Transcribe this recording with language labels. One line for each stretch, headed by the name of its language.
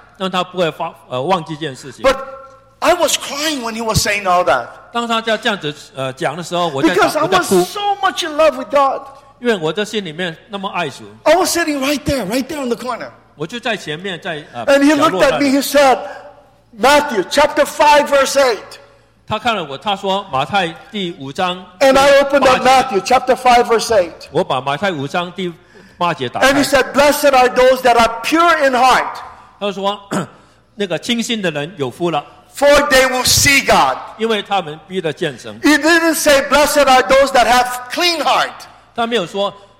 Chinese: 让他不会忘记这件事情。
English: But I was crying when he was saying all that.
Chinese: 当他这样子讲的时候，我在哭。
English: Because I was so much in love with God.
Chinese: 因为我在心里面那么爱主。
English: I was sitting right there on the corner.
Chinese: 我就在前面，在。
English: And he looked at me. He said, Matthew chapter 5 verse 8.
Chinese: 他看了我，他说马太第五章。
English: And I opened up Matthew chapter 5 verse 8.
Chinese: 我把马太五章第八节打开。
English: And he said, Blessed are those that are pure in heart.
Chinese: 他说，那个清心的人有福了。
English: For they will see God.
Chinese: 因为他们必得见神。
English: He didn't say, Blessed are those that have clean heart.